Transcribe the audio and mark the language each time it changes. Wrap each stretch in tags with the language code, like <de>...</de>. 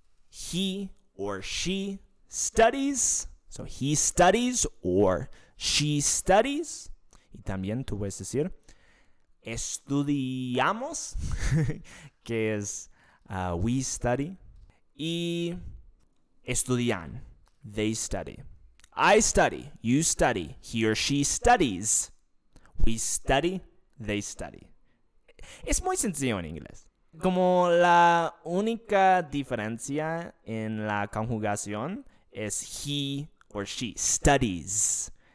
<en>He or she studies. So he studies or she studies.</en> <es>Y también tú puedes decir, estudiamos, que es</es> <en>we study.</en> <es>Y estudian,</es> <en>they study. I study, you study, he or she studies. We study, they study.</en> <es>Es muy sencillo en inglés. Como la única diferencia en la conjugación es</es> <en>he or she studies.</en>